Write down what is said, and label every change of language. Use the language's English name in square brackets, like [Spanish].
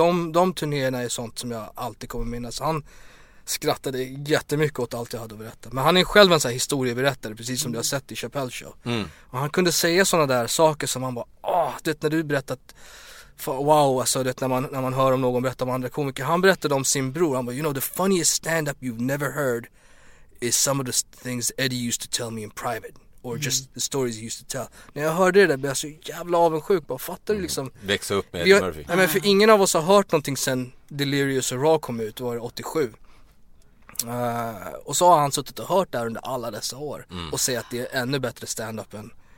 [Swedish] De turnéerna är sånt som jag alltid kommer minnas. Han skrattade jättemycket åt allt jag hade att berätta. Men han är själv en sån här historieberättare, precis som du har sett i Chappelle Show. Mm. Och han kunde säga såna där saker som han bara, när du berättat, wow, alltså, det, när man hör om någon berätta om andra komiker. Han berättade om sin bror. Han bara, [English] you know, the funniest stand-up you've never heard is some of the things Eddie used to tell me in private. Or just the stories he used to tell. [Swedish] När jag hörde det där blev jag så jävla avundsjuk. Bara, fattar du liksom? Växa upp med Eddie Murphy. Nej, men för ingen av oss har hört någonting sen Delirious och Raw kom ut. Det var 87. Och så har han suttit och hört där under alla dessa år. Mm. Och säger att det är ännu bättre stand-up än...